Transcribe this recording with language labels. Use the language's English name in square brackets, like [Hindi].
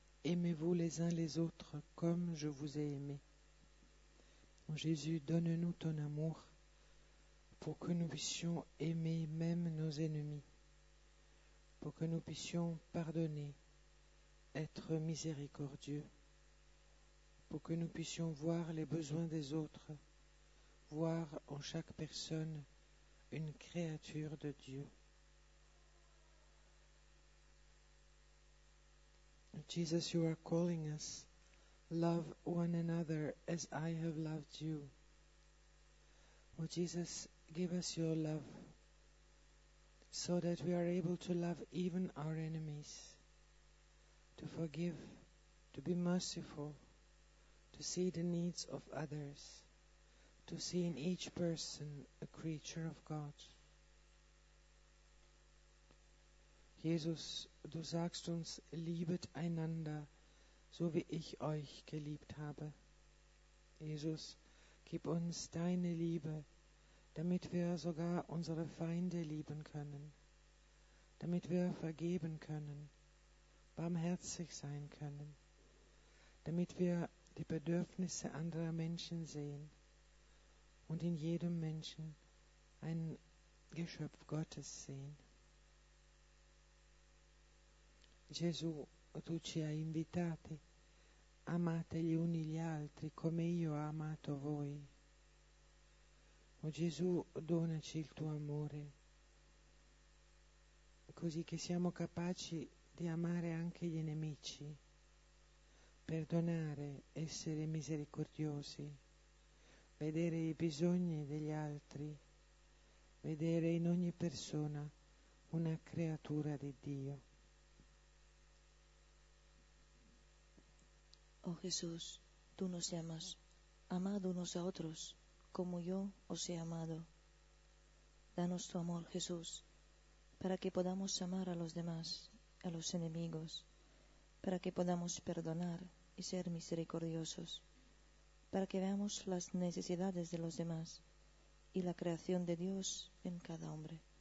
[French] Aimez-vous les uns les autres comme je vous ai aimé. Jésus, donne-nous ton amour pour que nous puissions aimer même nos ennemis, pour que nous puissions pardonner, être miséricordieux, pour que nous puissions voir les besoins des autres, voir en chaque personne une créature de Dieu. [English] Jesus, you are calling us, love one another as I have loved you. Oh Jesus, give us your love so that we are able to love even our enemies, to forgive, to be merciful, to see the needs of others, to see in each person a creature of God. [German] Jesus, du sagst uns, liebet einander, so wie ich euch geliebt habe. Jesus, gib uns deine Liebe, damit wir sogar unsere Feinde lieben können, damit wir vergeben können, barmherzig sein können, damit wir die Bedürfnisse anderer Menschen sehen und in jedem Menschen ein Geschöpf Gottes sehen. [Italian] Gesù, tu ci hai invitati, amate gli uni gli altri come io ho amato voi. O Gesù, donaci il tuo amore, così che siamo capaci di amare anche gli nemici, perdonare, essere misericordiosi, vedere i bisogni degli altri, vedere in ogni persona una creatura di Dio. [Spanish] Oh Jesús, tú nos llamas, amad unos a otros, como yo os he amado. Danos tu amor, Jesús, para que podamos amar a los demás, a los enemigos, para que podamos perdonar y ser misericordiosos, para que veamos las necesidades de los demás y la creación de Dios en cada hombre.